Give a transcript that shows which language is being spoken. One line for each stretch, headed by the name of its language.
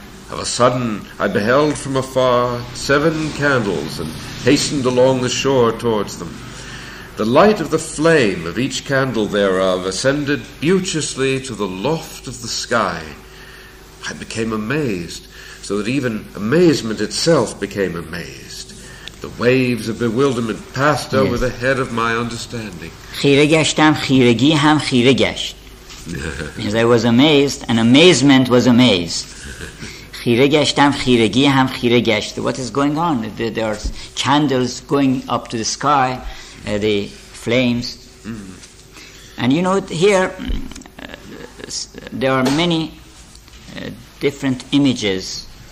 English: Of a sudden, I beheld from afar 7 candles and hastened along the shore towards them. The light of the flame of each candle thereof ascended beauteously to the loft of the sky. I became amazed, so that even amazement itself became amazed. The waves of bewilderment passed yes. over the head of my understanding.
Persian: خیره گشتم خیرگی هم خیره گشت.
English: As I was amazed, and amazement was amazed.
Persian: خیره گشتم خیرگی هم خیره گشت.
English: What is going on? There are candles going up to the sky. The flames. And you know, here there are many different images.